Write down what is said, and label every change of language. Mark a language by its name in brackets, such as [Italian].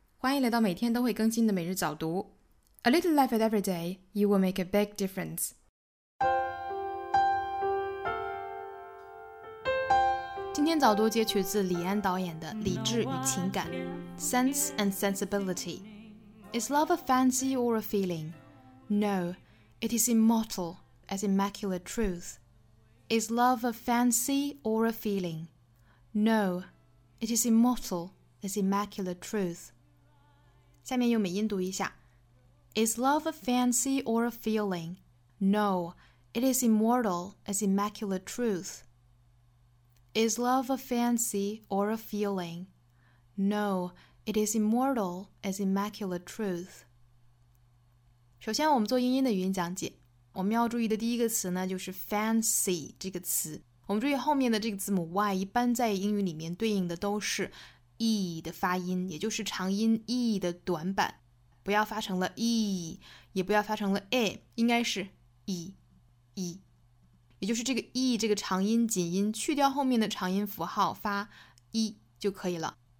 [Chinese] 欢迎来到每天都会更新的每日早读。 [English] A little life at every day, you will make a big difference. [Chinese] 今天早读截取自李安导演的《理智与情感》Sense and Sensibility. [English] Is love a fancy or a feeling? No, it is immortal as immaculate truth. Is love a fancy or a feeling? No, it is immortal. This immaculate truth. [Chinese] 下面用美音读一下。 [English] Is love a fancy or a feeling? No, it is immortal as immaculate truth. Is love a fancy or a feeling? No, it is immortal as immaculate truth. [Chinese] 首先我们做英音的语音讲解。我们要注意的第一个词呢就是 fancy 这个词。我们注意后面的这个字母 y 一般在英语里面对应的都是e 的发音，也就是长音 e 的短板，不要发成了 e， 也不要发成了 a， 应该是 e， 也就是这个 e 这个长音紧音去掉后面的长音符号，发 e 就可以了。